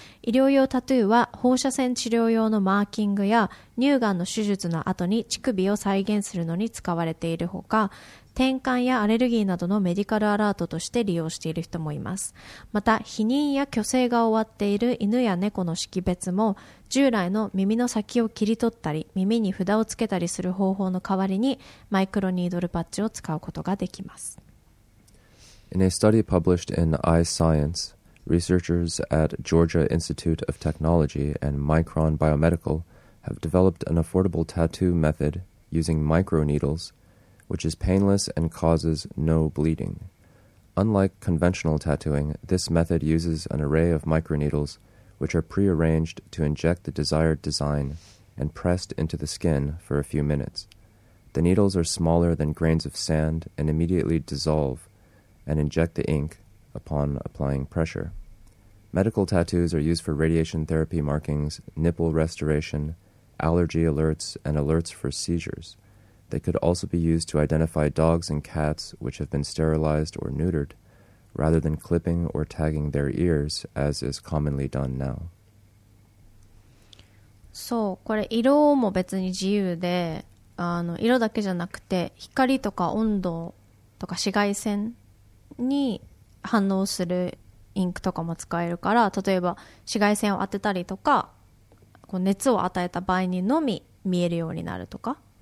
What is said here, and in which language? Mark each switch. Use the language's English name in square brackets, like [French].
[Japanese] 医療用タトゥーは放射線治療用のマーキングや乳がんの手術の後に乳首を再現するのに使われているほか、転換やアレルギーなどのメディカルアラートとして利用している人もいます。また、避妊や去勢が終わっている犬や猫の識別も、従来の耳の先を切り取ったり、耳に札をつけたりする方法の代わりに、マイクロニードルパッチを使うことができます。 [English] In a study published in iScience, researchers at Georgia Institute of Technology and Micron Biomedical have developed an affordable tattoo method using microneedles,which is painless and causes no bleeding. Unlike conventional tattooing, this method uses an array of microneedles which are prearranged to inject the desired design and pressed into the skin for a few minutes. The needles are smaller than grains of sand and immediately dissolve and inject the ink upon applying pressure. Medical tattoos are used for radiation therapy markings, nipple restoration, allergy alerts, and alerts for seizures. They could also be used to identify dogs and cats which have been sterilized or neutered, rather than clipping or tagging their ears, as is commonly done now. [Japanese] そう、これ色も別に自由で、あの色だけじゃなくて光とか温度とか紫外線に反応するインクとかも使えるから、例えば紫外線を当てたりとか、こう熱を与えた場合にのみ見えるようになるとか。